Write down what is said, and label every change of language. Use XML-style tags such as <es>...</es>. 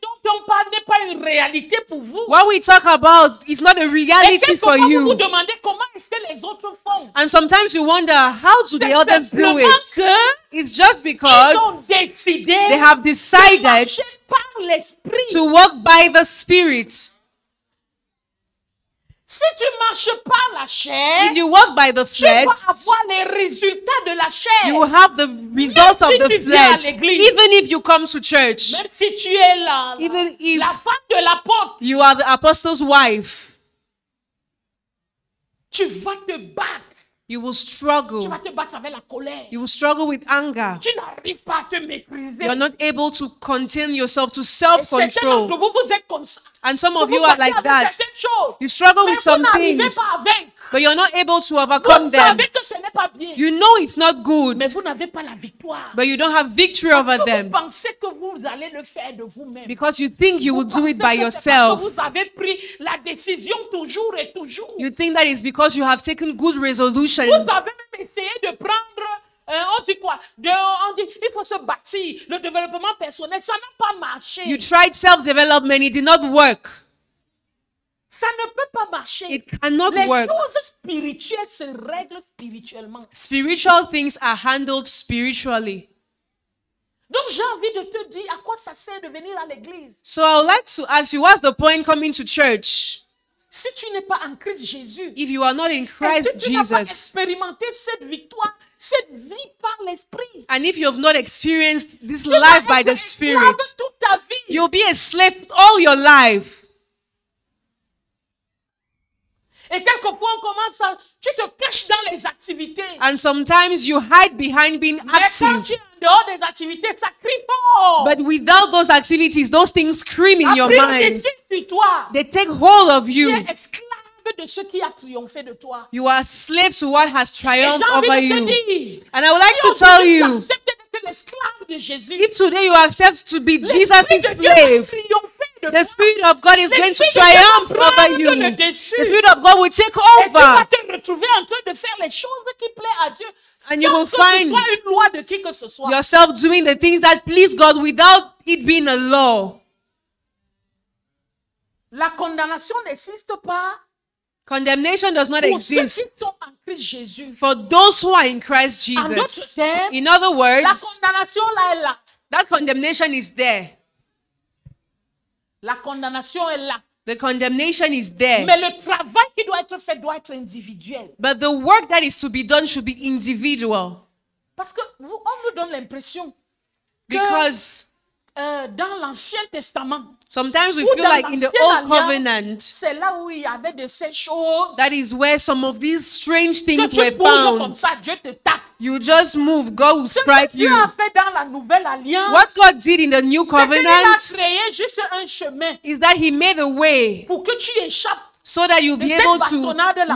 <fr>On parle n'est pas une réalité pour vous.</fr> <en>What we talk about is not a reality for you.</en> <fr>Vous vous demandez comment est-ce que les autres font.</fr> <en>And sometimes you wonder how do the others do it.</en> <fr>Que</fr> <en>it's just because</en> <fr>ils ont décidé</fr> <en>they have decided</en> <fr>par l'esprit</fr> <en>to walk by the Spirit.</en> <fr>Si tu marches par la chair,</fr> <en>if you walk by the flesh,</en> <fr>tu vas avoir les résultats de la chair.</fr> <en>You will have the results</en> <fr>même si</fr> <en>of the flesh.</en> <fr>Viens à l'église,</fr> <en>even if you come to church,</en> <fr>même si tu es là,</fr> <en>even if</en> <fr>la femme de l'apôtre,</fr> <en>you are the apostle's wife,</en> <fr>tu vas te battre.</fr> <en>You will struggle.</en> <fr>Tu vas te battre avec la colère.</fr> <en>You will struggle with anger.</en> <fr>Tu n'arrives pas à te maîtriser.</fr> <en>You are not able to contain yourself, to self-control.</en> <fr>Et certains d'entre vous, vous êtes comme ça.</fr> <en>And some</en> <fr>vous</fr> <en>of you are like that.</en> <fr>Chose,</fr> <en>you struggle with some things. But you're not able to overcome</en> <fr>vous</fr> <en>them.</en> <fr>Que ce n'est pas bien.</fr> <en>You know it's not good.</en> <fr>Mais vous n'avez pas la victoire.</fr> <en>But you don't have victory</en> <fr>parce</fr> <en>over</en> <fr>que</fr> <en>them.</en> <fr>Vous pensez que vous allez le faire de vous-même.</fr> <en>Because you think you</en> <fr>vous</fr> <en>will do it by yourself.</en> <fr>Vous avez pris la décision toujours et toujours.</fr> <en>You think that is because you have taken good resolutions.</en> <fr>Vous avez même essayé de prendre on dit quoi? On dit il faut se bâtir le développement personnel. Ça n'a pas marché.</fr> <en>You tried self-development, it did not work.</en> <fr>Ça ne peut pas marcher.</fr> <en>It cannot</en> <fr>les</fr> <en>work.</en> <fr>Les choses spirituelles se règlent spirituellement.</fr> <en>Spiritual things are handled spiritually.</en> <fr>Donc j'ai envie de te dire à quoi ça sert de venir à l'église.</fr> <en>So I would like to ask you, what's the point coming to church?</en> <fr>Si tu n'es pas en Christ Jésus.</fr> <en>If you are not in Christ Jesus.</en> <fr>Est-ce que tu n'as pas expérimenté cette victoire? Cette vie par l'esprit.</fr> <en>And if you have not experienced this life by the Spirit,</en> <fr>toute ta vie.</fr> <en>You'll be a slave all your life.</en> <fr>Et quelquefois on commence à tu te caches dans les activités.</fr> <en>And sometimes you hide behind being active.</en> <fr>Mais quand tu es en dehors des activités, ça crie fort.</fr> <en>But without those activities, those things scream in your mind. They take hold of you.</en> <fr>De ce qui a triomphé de toi.</fr> <en>You are slaves to what has triumphed</en> <fr>et</fr> <en>over you.</en> <fr>Dire,</fr> <en>and I would like to tell you,</en> <fr>Jésus,</fr> <en>if today you accept to be Jesus' slave, the Spirit of God is going to triumph over you. The Spirit of God will take over.</en> <fr>Et tu vas te retrouver en train de faire les choses qui plaisent à Dieu.</fr> <en>And you will find</en> <fr>une loi de qui que ce soit.</fr> <en>Yourself doing the things that please God without it being a law.</en> <fr>La condamnation n'existe pas.</fr> <en>Condemnation does not exist</en> <fr>Jésus,</fr> <en>for those who are in Christ Jesus. In other words,</en> <fr>la condamnation là est là.</fr> <en>That condemnation is there.</en> <fr>La condamnation est là.</fr> <en>The condemnation is there.</en> <fr>Mais le travail qui doit être fait doit être individuel.</fr> <en>But the work that is to be done should be individual.</en> <fr>Parce que vous, on vous donne l'impression</fr> <en>because</en> <fr>que, dans l'Ancien Testament,</fr> <en>sometimes we feel like in the old covenant,</en> <fr>c'est là où il y avait de ces choses,</fr> <en>that is where some of these strange things were found.</en> <fr>Comme ça, Dieu te tape.</fr> <en>You just move, God will strike you.</en> <fr>A fait dans la nouvelle alliance,</fr> <en>what God did in the new covenant</en> <fr>c'est qu'il a créé juste un chemin</fr> <en>is that he made a way</en> <fr>pour que tu échappes</fr> <en>so that you'll be able to</en> <fr>là,</fr>